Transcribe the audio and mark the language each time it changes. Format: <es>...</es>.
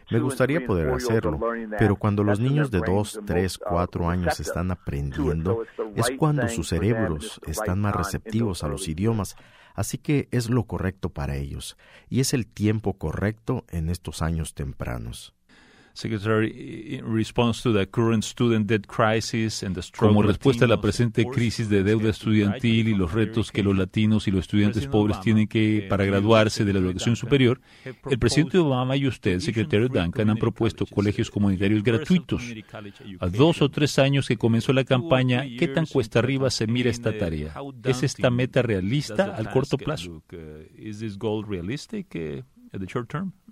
<es>Me gustaría poder hacerlo, pero cuando los niños de 2, 3, 4 años están aprendiendo, es cuando sus cerebros están más receptivos a los idiomas. Así que es lo correcto para ellos, y es el tiempo correcto en estos años tempranos.</es> <en>Secretary, in response to the current student debt crisis and the struggle,</en> <es>como respuesta a la presente crisis de deuda estudiantil y los retos que los latinos y los estudiantes pobres tienen que para graduarse de la educación superior, el presidente Obama y usted, secretario Duncan, han propuesto colegios comunitarios gratuitos. A 2 o 3 años que comenzó la campaña, ¿qué tan cuesta arriba se mira esta tarea? ¿Es esta meta realista al corto plazo?</es> <en>Is this goal realistic at the short term?</en>